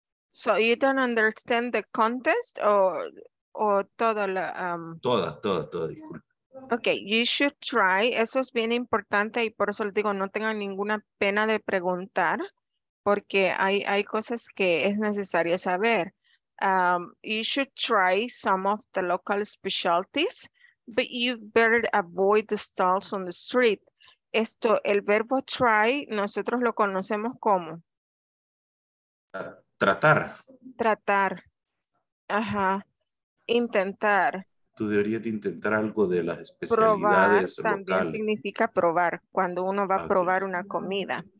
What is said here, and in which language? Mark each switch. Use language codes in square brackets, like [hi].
[en] So you don't understand the contest or [es] toda la... Toda, disculpa. [en] Ok, you should try. [es] Eso es bien importante y por eso les digo, no tengan ninguna pena de preguntar porque hay cosas que es necesario saber. [en] You should try some of the local specialties, but you better avoid the stalls on the street. [es] Esto, el verbo try, nosotros lo conocemos como. Tratar. Tratar. Ajá. Intentar. Tú deberías de intentar algo de las especialidades probar, locales. También significa probar, cuando uno va a probar una comida.